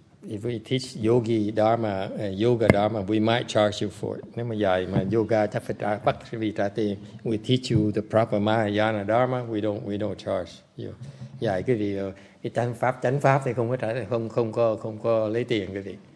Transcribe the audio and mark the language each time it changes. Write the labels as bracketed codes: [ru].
[en] If we teach yogi dharma, yoga dharma, we might charge you for it. [vi] Nếu mà dạy mà yoga chắc phải trả, bắt vì trả tiền. [en] We teach you the proper Mahayana dharma, we don't charge you. [vi] Dạy cái gì, cái chánh pháp thì không có trả, không có lấy tiền cái gì.